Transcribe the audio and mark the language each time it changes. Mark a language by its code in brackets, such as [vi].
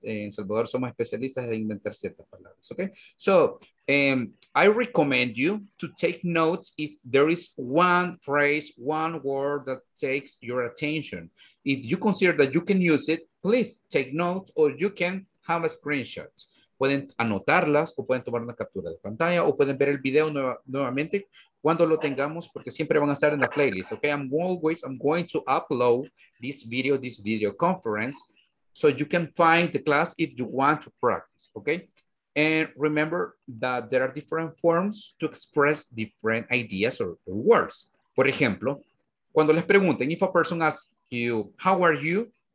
[es] En Salvador somos especialistas en inventar ciertas palabras, ¿ok? [en] So, I recommend you to take notes if there is one phrase, one word that takes your attention. If you consider that you can use it, please take notes or you can have a screenshot. [es] Pueden anotarlas o pueden tomar una captura de pantalla o pueden ver el video nuevamente cuando lo tengamos, porque siempre van a estar en la playlist, ¿ok? [en] I'm going to upload this video conference, so you can find the class if you want to practice, okay? And remember that there are different forms to express different ideas or words. [es] Por ejemplo, cuando les pregunten, [en] if a person asks you, how are you?